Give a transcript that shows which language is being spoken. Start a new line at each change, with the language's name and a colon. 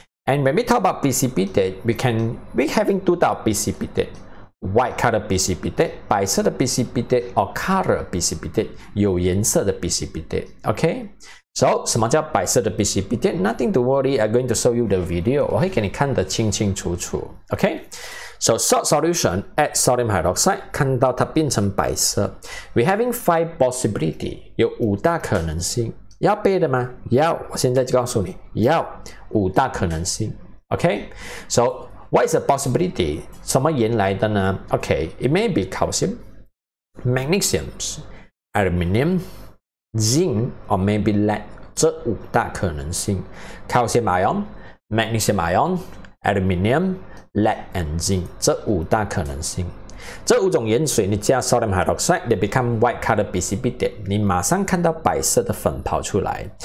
English: And when we talk about precipitate, we having two types of precipitate. White color precipitate,
Chinese: 白色的
English: precipitate, or color precipitate,
Chinese: 有颜色的
English: precipitate. Okay?
Chinese: So, 什么叫白色的 precipitate?
English: Nothing to worry, I'm going to show you the video.
Chinese: 我会给你看得清清楚楚.
English: Okay? So, salt solution, add sodium hydroxide,
Chinese: 看到它变成白色.
English: We having five possibility,
Chinese: 有5大可能性.要背的吗? 要, 我现在就告诉你, 要, 5大可能性.
English: Okay? So, what is the possibility?
Chinese: 什么原来的呢?
English: Okay, it may be calcium, magnesium, aluminium, zinc, or maybe lead.
Chinese: 这5大可能性.
English: Calcium ion, magnesium ion, aluminium, lead and zinc.
Chinese: 这5大可能性. 这5种盐水你加
English: sodium hydroxide, they become white color precipitate.
Chinese: 你马上看到白色的粉跑出来.